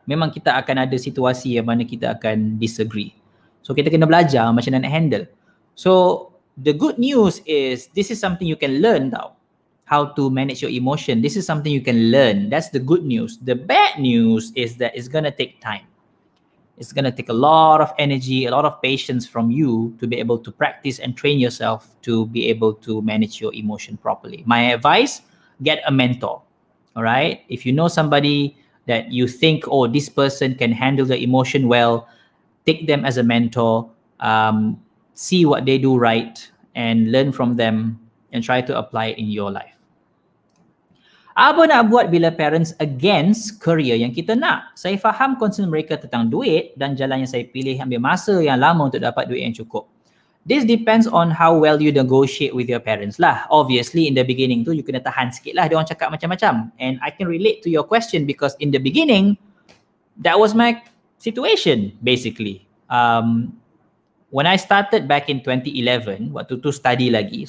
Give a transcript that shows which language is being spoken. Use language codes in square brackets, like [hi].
[ms] Memang kita akan ada situasi yang mana kita akan disagree. So kita kena belajar macam mana nak handle. [en] So the good news is this is something you can learn tau. How to manage your emotion. This is something you can learn. That's the good news. The bad news is that it's going to take time. It's going to take a lot of energy, a lot of patience from you to be able to practice and train yourself to be able to manage your emotion properly. My advice, get a mentor. All right? If you know somebody that you think, oh, this person can handle the emotion well, take them as a mentor, see what they do right and learn from them. And try to apply it in your life. [ms] Apa nak buat bila [en] parents against career [ms] yang kita nak? Saya faham concern mereka tentang duit dan jalan yang saya pilih ambil masa yang lama untuk dapat duit yang cukup. [en] This depends on how well you negotiate with your parents lah. Obviously in the beginning [ms] tu [en] you [ms] kena tahan sikit lah. Dia orang cakap macam-macam. [en] And I can relate to your question because in the beginning, that was my situation basically. When I started back in 2011, [ms] waktu tu [en] study [ms] lagi.